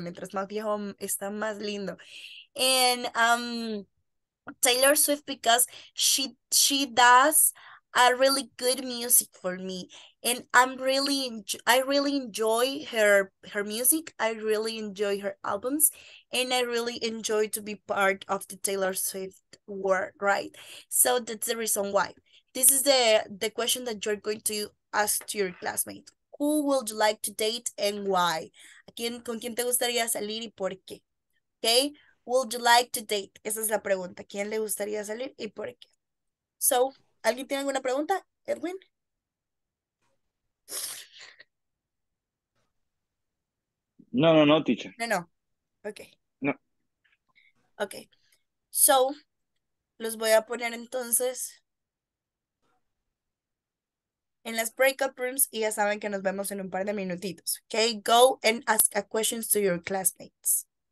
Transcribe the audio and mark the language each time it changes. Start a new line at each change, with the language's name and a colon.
Spanish: Mientras más viejo, está más lindo.
English: And Taylor Swift, because she does a really good music for me, and I really enjoy her music. I really enjoy her albums, and I really enjoy to be part of the Taylor Swift world, right? So that's the reason why. This is the question that you're going to ask to your classmate. Who would you like to date and why?
Spanish: ¿Quién, con quién te gustaría salir y por qué?
English: Okay, would you like to date?
Spanish: Esa es la pregunta. ¿Quién le gustaría salir y por qué? So, ¿alguien tiene alguna pregunta, Edwin?
English: No, no, no, teacher. No, no. Okay. No. Okay.
Spanish: So, los voy a poner entonces en las breakout rooms y ya saben que nos vemos en un par de minutitos.
English: Okay, go and ask a questions to your classmates.